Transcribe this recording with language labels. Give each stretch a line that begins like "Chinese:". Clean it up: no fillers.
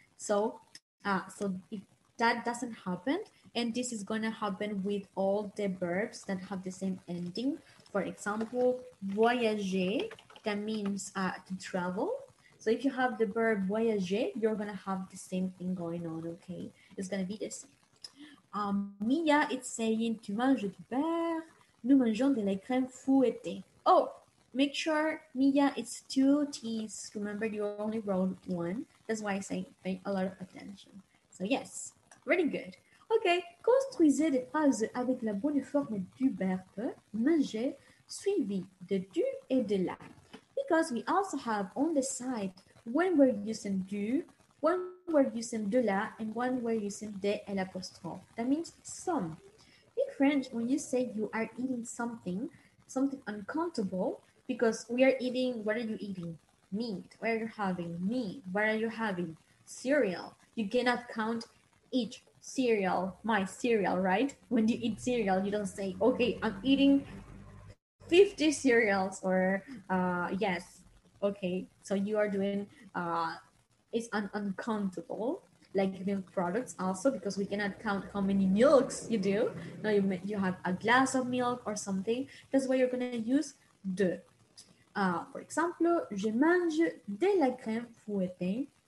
English: So if that doesn't happen, and this is gonna happen with all the verbs that have the same ending. For example, voyager, that means to travel. So if you have the verb voyager, you're gonna have the same thing going on, okay? It's gonna be this. Mia is saying
French: tu manges du beurre, nous mangeons de la crème fouettée.
English: Oh, make sure Mia, it's two T's. Remember, you only wrote one. That's why I say pay a lot of attention. So yes, really good.
French: Okay, construisez des phrases avec la bonne forme du verbe manger suivi de du et de la.
English: Because we also have on the side when we're using du, when we're using de la, and when we're using de et l'apostrophe. That means some. In French, when you say you are eating something uncountable, because we are eating, what are you eating? Meat. What are you having? Meat. What are you having? Cereal. You cannot count each cereal, my cereal, right? When you eat cereal, you don't say, okay, I'm eating 50 cereals or yes, okay. So you are doing it's an uncountable, like milk products also, because we cannot count how many milks you do. Now you have a glass of milk or something. That's why you're gonna use de. For example,
French: je mange de la crème fouettée.